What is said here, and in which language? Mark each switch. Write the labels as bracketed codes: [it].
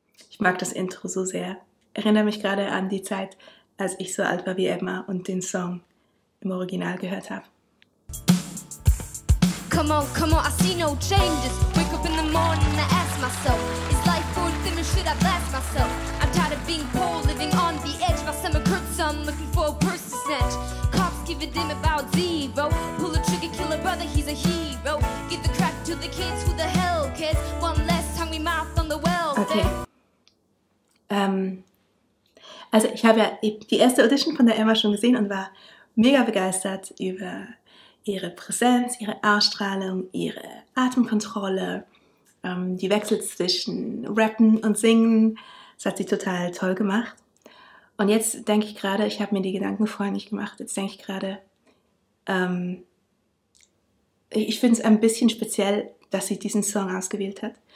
[de] Ich mag das Intro so sehr. Erinnere mich gerade an die Zeit, als ich so alt war wie Emma und den Song im Original gehört habe. [en] Come on, come on, I see no changes. Wake up in the morning and I ask myself, is life going to me, should I blast myself? I'm tired of being poor, living on the edge. My stomach hurts, I'm looking for a purse to snatch. Cops give a damn about zero. Pull a trigger, kill a brother, he's a hero. Give the crack to the kids, who the hell cares? One less hungry mouth on the welfare. Okay. [de] Also ich habe ja die erste Audition von der Emma schon gesehen und war mega begeistert über ihre Präsenz, ihre Ausstrahlung, ihre Atemkontrolle, die Wechsel zwischen Rappen und Singen. Das hat sie total toll gemacht. Und jetzt denke ich gerade, ich habe mir die Gedanken vorher nicht gemacht, jetzt denke ich gerade, ich finde es ein bisschen speziell, dass sie diesen Song ausgewählt hat.